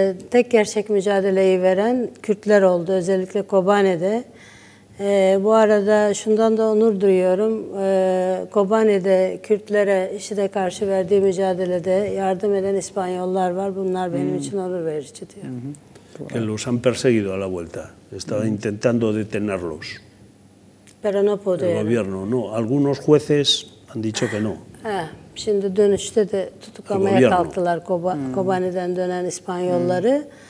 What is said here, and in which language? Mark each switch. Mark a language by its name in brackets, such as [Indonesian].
[Turkish] Tek gerçek mücadeleyi veren Kürtler oldu, özellikle Kobani'de. Bu arada şundan da onur duyuyorum. Kobani'de Kürtlere IŞİD'e karşı verdiği mücadelede yardım eden İspanyollar var. Bunlar benim için onur verici diyor. [Spanish] Que los han perseguido a la vuelta. Estaba intentando detenerlos. Pero no pudieron. El gobierno, no. Algunos jueces han dicho que no. [Turkish] Şimdi dönüşte de tutuklamaya kalktılar Kobani'den dönen İspanyolları.